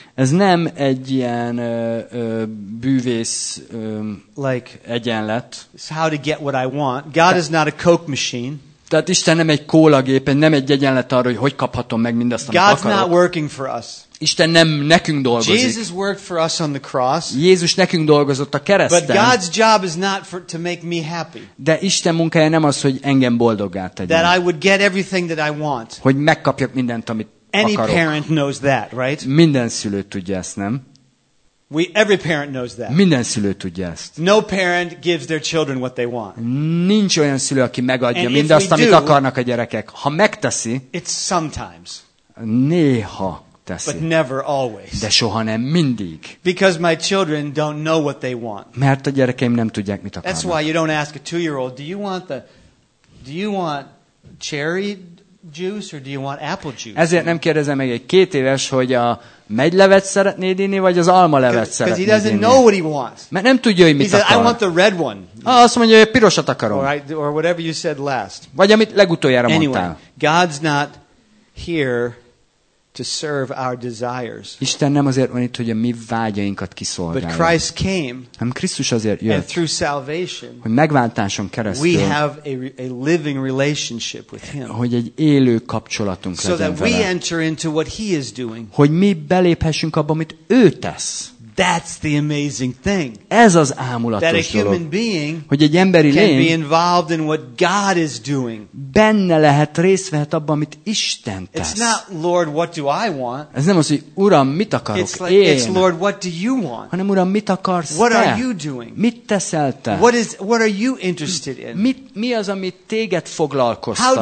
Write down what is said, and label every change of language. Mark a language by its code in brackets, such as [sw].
[hu] Ez nem egy ilyen bűvész like egyenlet. [en] It's how to get what I want. God is not a Coke machine. [hu] Tehát Isten nem egy kólagép, nem egy egyenlet arra, hogy kaphatom meg mindazt, amit [en] God's [hu] akarok. [en] Not working for us. [hu] Isten nem nekünk dolgozik. [en] Jesus worked for us on the cross. [hu] Jézus nekünk dolgozott a kereszten. [en] But God's job is not to make me happy. [hu] De Isten munkája nem az, hogy engem boldoggá tegyen. [en] That I would get everything that I want. [hu] Hogy megkapjak mindent, amit [en] any [hu] akarok. [en] Any parent knows that, right? [hu] Minden szülő tudja ezt, nem? [en] Every parent knows that. [hu] Minden szülő tudja ezt. [en] No parent gives their children what they want. [hu] Nincs olyan szülő, aki megadja mindazt, amit akarnak a gyerekek. Ha megteszi, [en] it's sometimes. [hu] Néha. Teszi. [en] But never always. [hu] De soha nem mindig. [en] Because my children don't know what they want. [hu] Mert a gyerekeim nem tudják, mit akarnak. [en] That's why you don't ask a 2-year-old, do you want cherry juice or do you want apple juice? [hu] Ezért nem kérdezem meg egy 2 éves, hogy a megylevet szeretnéd inni, vagy az almalevet szeretnéd inni. [en] Because he doesn't know what he wants. [hu] Mert nem tudja, hogy mit akar. [en] He said, I want the red one. [hu] Azt mondja, hogy a pirosat akarom. [en] Or whatever you said last. [hu] Vagy amit legutoljára mondtál. [en] Anyway, God's not here to serve our desires. [hu] Isten nem azért van itt, hogy a mi vágyainkat kiszolgálja. [en] But Christ came. [hu] Hanem Krisztus azért jött. [en] And through salvation. [hu] Hogy megváltáson keresztül. [en] We have a living relationship with him. [hu] Hogy egy élő kapcsolatunk legyen vele. [en] So that [hu] vele. [en] We enter into what he is doing. [hu] Hogy mi beléphessünk abba, amit ő tesz. [en] That's the amazing thing. [hu] Ez az ámulatos dolog. [en] That a human being, [hu] hogy egy emberi lény, [en] can be involved in what God is doing. [hu] Benne lehet, részt vehet abban, amit Isten tesz. [en] It's not, Lord, what do I want? [hu] Ez nem az, hogy Uram, mit akarok [en] it's like, [hu] én? [en] It's Lord, what do you want? [hu] Hanem Uram, mit akarsz [en] what [hu] te? [en] Are you doing? [hu] Mit teszel te? [en] What are you interested in? [hu] Mi az, amit téged foglalkoztat?